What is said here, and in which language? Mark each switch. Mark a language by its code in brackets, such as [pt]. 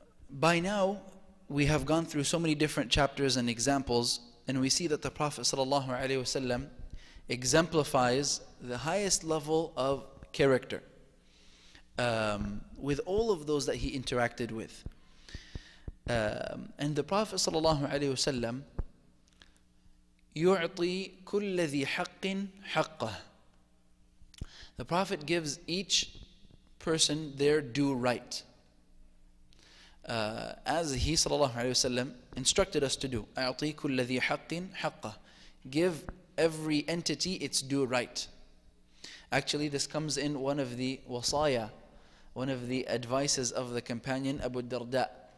[en] By now, we have gone through so many different chapters and examples, and we see that the Prophet ﷺ exemplifies the highest level of character with all of those that he interacted with. And the Prophet [ar] ﷺ يُعْطِي كُلَّ ذِي حَقٍ حَقَّهُ. [en] The Prophet gives each person their due right, as he ﷺ instructed us to do. [ar] أَعْطِي كُلَّ ذِي حَقٍ حَقَّهُ. [en] Give every entity its due right. Actually, this comes in one of the wasaya, one of the advices of the companion Abu Darda.